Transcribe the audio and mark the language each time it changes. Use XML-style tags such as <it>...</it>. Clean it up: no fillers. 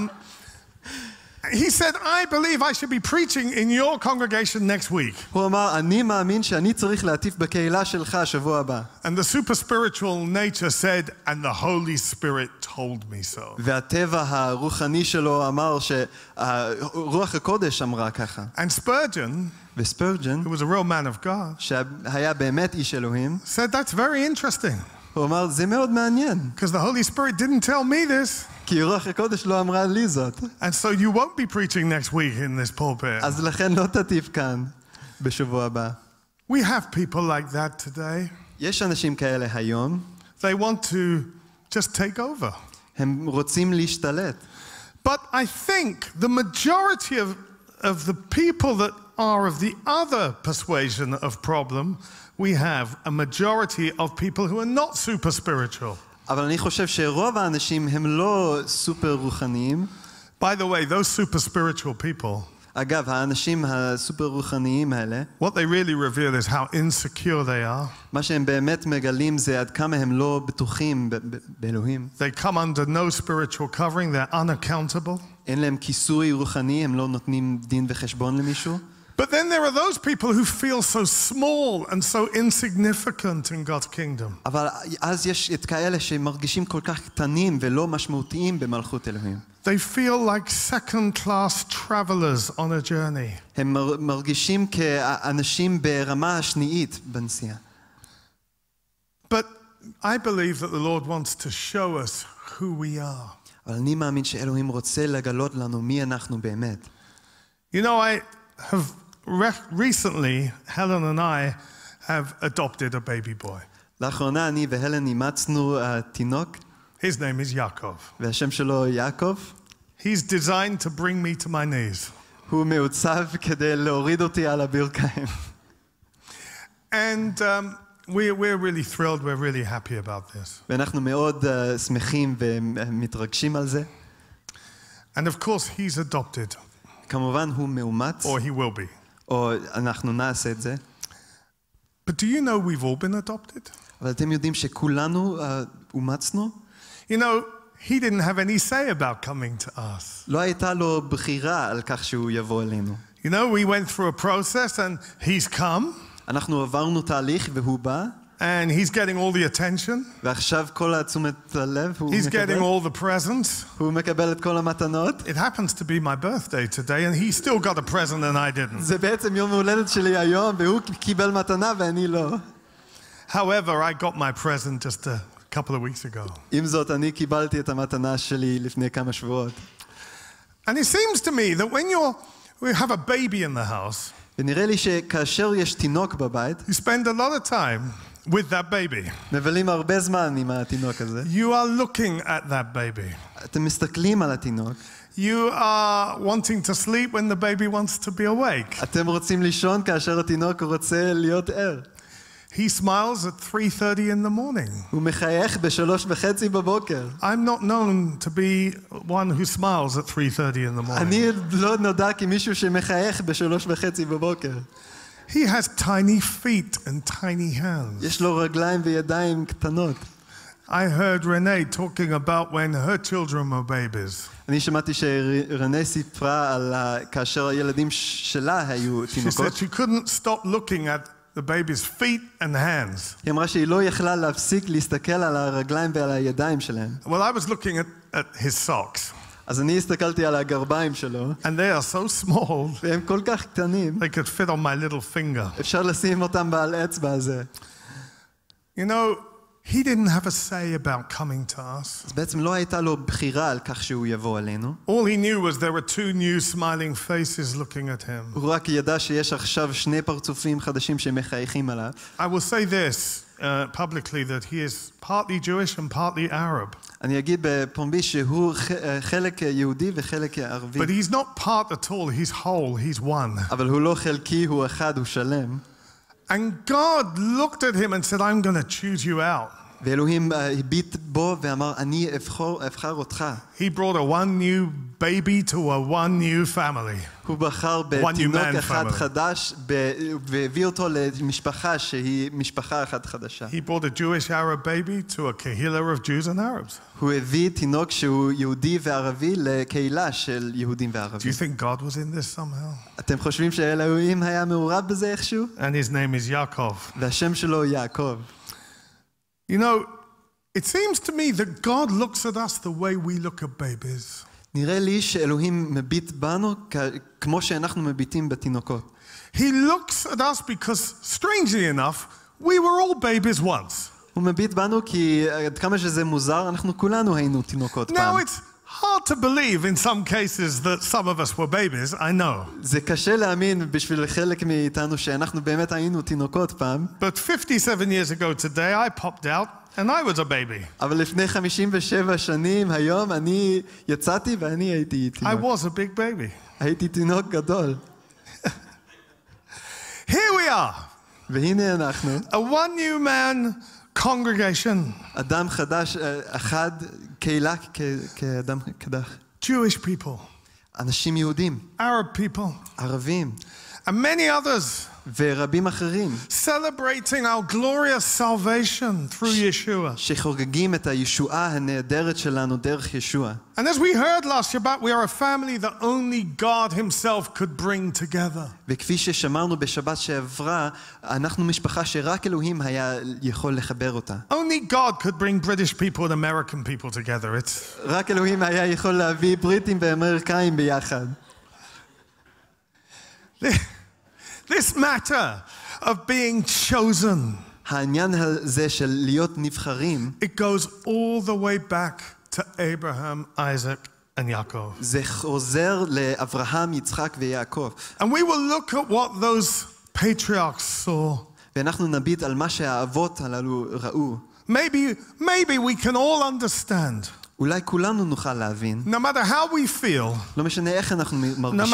<en>It's okay. He said, "I believe I should be preaching in your congregation next week."</en> <he>הוא אמר, אני מאמין שאני צריך להטיף בקהילה שלך השבוע הבא.</he> <en>And the super spiritual nature said, "And the Holy Spirit told me so."</en> <he>והטבע הרוחני שלו אמר שרוח הקודש אמרה ככה.</he> <en>And Spurgeon.</en> <he>וספרג'ן.</he> <en>Who was a real man of God.</en> <he>שהיה באמת איש אלוהים.</he> <en>Said that's very interesting.</en> <he>הוא אמר, זה מאוד מעניין.</he> <en>Because the Holy Spirit didn't tell me this.</en> <he>כי רוח הקודש לא אמרה לי זאת.</he> <en>And so you won't be preaching next week in this pulpit.</en> <he>אז לכן לא תטיף כאן בשבוע הבא.</he> <en>We have people like that today.</en> <he>יש אנשים כאלה היום.</he> <en>They want to just take over.</en> <he>הם רוצים להשתלט.</he> <en>But I think the majority of the people that are of the other persuasion of problem we have a majority of people who are not super spiritual.</en> <he>אבל אני חושב שרוב האנשים הם לא סופר רוחניים.</he> <en>By the way, those super spiritual people.</en> <he>אגב, האנשים הסופר רוחניים האלה.</he> <en>What they really reveal is how insecure they are.</en> <he>מה שהם באמת מגלים זה עד כמה הם לא בטוחים באלוהים.</he> <en>They come under no spiritual covering, they're unaccountable.</en> <he>אין להם כיסוי רוחני, הם לא נותנים דין וחשבון למישהו.</he> <en>But then there are those people who feel so small and so insignificant in God's kingdom.</en> <he>אבל אז יש את כאלה שמרגישים כל כך קטנים ולא משמעותיים במלכות אלוהים.</he> <en>They feel like second-class travelers on a journey.</en> <he>הם מרגישים כאנשים ברמה השניית בנסיעה.</he> <en>But I believe that the Lord wants to show us who we are.</en> <he>אבל אני מאמין שאלוהים רוצה לגלות לנו מי אנחנו באמת.</he> <en>You know, I have recently Helen and I have adopted a baby boy.</en> <he>לאחרונה אני והלן אימצנו תינוק.</he> <en>His name is Yaakov.</en> <he>והשם שלו יעקב.</he> <en>He's designed to bring me to my knees.</en> <he>הוא מעוצב כדי להוריד אותי על הברכיים.</he> <en>And we're really thrilled, we're really happy about this.</en> <he>ואנחנו מאוד שמחים ומתרגשים על זה.</he> <en>And of course he's adopted.</en> <he>כמובן הוא מאומץ.</he> <en>Or he will be.</en> <he>או אנחנו נעשה את זה.</he> <en>But do you know we've all been adopted?</en> <he>אבל אתם יודעים שכולנו אומצנו?</he> <en>You know, he didn't have any say about coming to us.</en> <he>לא הייתה לו בחירה על כך שהוא יבוא אלינו.</he> <en>You know, we went through a process and he's come.</en> <he>אנחנו עברנו תהליך והוא בא.</he> <en>And he's getting all the attention.</en> <he>ועכשיו כל התשומת הלב הוא מקבל.</he> <en>He's getting all the presents.</en> <he>הוא מקבל את כל המתנות.</he> <en>It happens to be my birthday today and he still got a present and I didn't.</en> <he>זה בעצם יום הולדת שלי היום והוא קיבל מתנה ואני לא.</he> <en>However, I got my present just a couple of weeks ago.</en> <he>עם זאת, אני קיבלתי את המתנה שלי לפני כמה שבועות.</he> <en>And it seems to me that when we have a baby in the house,</en> <he>ונראה לי שכאשר יש תינוק בבית,</he> <en>you spend a lot of time with that baby.</en> <he>מבלים הרבה זמן עם התינוק הזה.</he> <en>You are looking at that baby.</en> <he>אתם מסתכלים על התינוק.</he> <en>You are wanting to sleep when the baby wants to be awake.</en> <he>אתם רוצים לישון כאשר התינוק רוצה להיות ער.</he> <en>He smiles at 3:30 in the morning.</en> <he>הוא מחייך ב-3:30 בבוקר.</he> <en>I'm not known to be one who smiles at 3:30 in the morning.</en> <he>אני לא נודע כמישהו שמחייך ב-3:30 בבוקר.</he> <en>He has tiny feet and tiny hands.</en> <he>יש לו רגליים וידיים קטנות.</he> <en>I heard Renee talking about when her children were babies.</en> <he>אני שמעתי שרנה סיפרה על כאשר הילדים שלה היו תינוקות.</he> <en>She said she couldn't stop looking at the baby's feet and hands.</en> <he>היא אמרה שהיא לא יכלה להפסיק להסתכל על הרגליים ועל הידיים שלהם.</he> <en>Well, I was looking at his socks.</en> <he>אז אני הסתכלתי על הגרביים שלו.</he> <en>And they are so small.</en> <he>והם כל כך קטנים.</he> <en>They could fit on my little finger.</en> <he>אפשר לשים אותם בעל אצבע הזה.</he> <en>You know, he didn't have a say about coming to us.</en> <he>אז בעצם לא הייתה לו בחירה על כך שהוא יבוא אלינו.</he> <en>All he knew was there were two new smiling faces looking at him.</en> <he>הוא רק ידע שיש עכשיו שני פרצופים חדשים שמחייכים עליו.</he> <en>I will say this publicly that he is partly Jewish and partly Arab.</en> <he>אני אגיד בפומבי שהוא חלק יהודי וחלק ערבי.</he> <en>But he's not part at all, he's whole, he's one.</en> <he>אבל הוא לא חלקי, הוא אחד, הוא שלם.</he> <en>And God looked at him and said, I'm going to choose you out.</en> <he>ואלוהים הביט בו ואמר, אני אבחר אותך.</he> <en>He brought a one new baby to a one new family.</en> <he>הוא בחר בתינוק אחד חדש והביא אותו למשפחה שהיא משפחה אחת חדשה.</he> <en>He brought a Jewish Arab baby to a kehillah of Jews and Arabs.</en> <he>הוא הביא תינוק שהוא יהודי וערבי לקהילה של יהודים וערבים.</he> <en>Do you think God was in this somehow?</en> <he>אתם חושבים שאלוהים היה מעורב בזה איכשהו?</he> <en>And his name is Yaakov.</en> <he>והשם שלו יעקב.</he> <en>You know, it seems to me that God looks at us the way we look at babies.</en> <he>נראה לי שאלוהים מביט בנו כמו שאנחנו מביטים בתינוקות.</he> <en>He looks at us because, strangely enough, we were all babies once.</en> <he>הוא מביט בנו כי עד כמה שזה מוזר, אנחנו כולנו היינו תינוקות פעם.</he> <en>Now it's hard to believe in some cases that some of us were babies, I know.</en> <he>זה קשה להאמין בשביל חלק מאיתנו שאנחנו באמת היינו תינוקות פעם.</he> <en>But 57 years ago today, I popped out and I was a baby.</en> <he>אבל לפני 57 שנים, היום, אני יצאתי ואני הייתי תינוק.</he> <en>I was a big baby.</en> <he>הייתי תינוק גדול.</he> <en>Here we are.</en> <he>והנה אנחנו.</he> <en>A one new man congregation.</en> <he>אדם חדש, אחד, קהילה, כאדם קדח.</he> <en>Jewish people.</en> <he>אנשים יהודים.</he> <en>Arab people.</en> <he>ערבים.</he> <en>And many others.</en> <he>ורבים אחרים.</he> <en>Celebrating our glorious salvation through Yeshua.</en> <he>שחוגגים את הישועה הנהדרת שלנו דרך ישוע.</he> <en>And as we heard last Shabbat, we are a family that only God himself could bring together.</en> <he>וכפי ששמענו בשבת שעברה, אנחנו משפחה שרק אלוהים היה יכול לחבר אותה.</he> <en>Only God could bring British people and American people together.</en> <he>רק אלוהים היה יכול להביא בריטים ואמריקאים ביחד.</he> <en>This matter of being chosen.</en> <he>העניין הזה של להיות נבחרים.</he> <en>It goes all the way back to Abraham, Isaac, and Yaakov.</en> <he>זה חוזר לאברהם, יצחק ויעקב.</he> <en>And we will look at what those patriarchs saw.</en> <he>ואנחנו נביט על מה שהאבות הללו ראו.</he> <en>Maybe we can all understand.</en> <he>אולי כולנו נוכל להבין.</he> <en>No matter how we feel.</en> <he>לא משנה איך אנחנו מרגישים.</he>